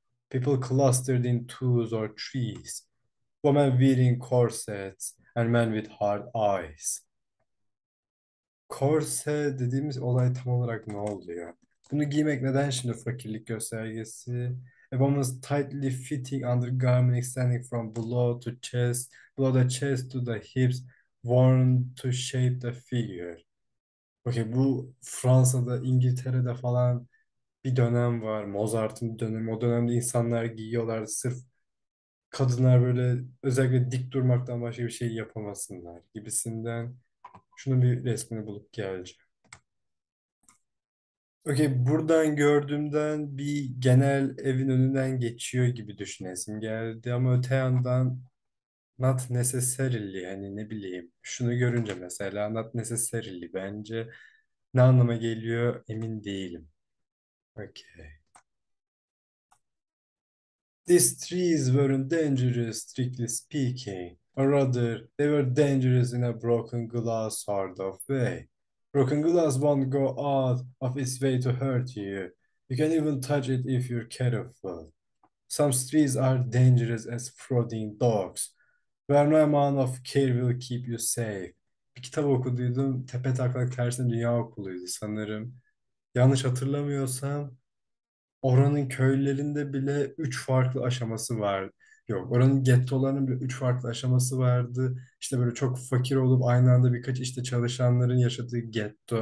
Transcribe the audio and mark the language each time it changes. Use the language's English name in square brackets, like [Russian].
[English] People clustered in twos or threes, women wearing corsets and men with hard eyes. [Turkish] Korse dediğimiz olay tam olarak ne oluyor? Bunu giymek neden şimdi fakirlik göstergesi? [English] Abomas tightly fitting undergarment extending from below to chest, below the chest to the hips, worn to shape the figure. [Turkish] Okay, bu Fransa'da, İngiltere'de falan bir dönem var. Mozart'ın dönemi. O dönemde insanlar giyiyorlardı sırf kadınlar böyle özellikle dik durmaktan başka bir şey yapamasınlar gibisinden. Şunun bir resmini bulup geleceğim. Okey, buradan gördüğümden bir genel evin önünden geçiyor gibi düşünesim geldi. Ama öte yandan [English] not necessarily, [Turkish] yani ne bileyim. Şunu görünce mesela [English] not necessarily [Turkish] bence ne anlama geliyor emin değilim. Okey. [English] These trees weren't dangerous, strictly speaking. Or rather, they were dangerous in a broken glass sort of way. Broken glass won't go out of its way to hurt you. You can even touch it if you're careful. Some trees are dangerous as prodding dogs, where no amount of care will keep you safe. [Turkish] Bir kitap okuduydum. Tepe taklak tersine dünya okuluydu sanırım. Yanlış hatırlamıyorsam oranın köylerinde bile üç farklı aşaması var. Yok, oranın gettolarının bile üç farklı aşaması vardı. İşte böyle çok fakir olup aynı anda birkaç işte çalışanların yaşadığı getto.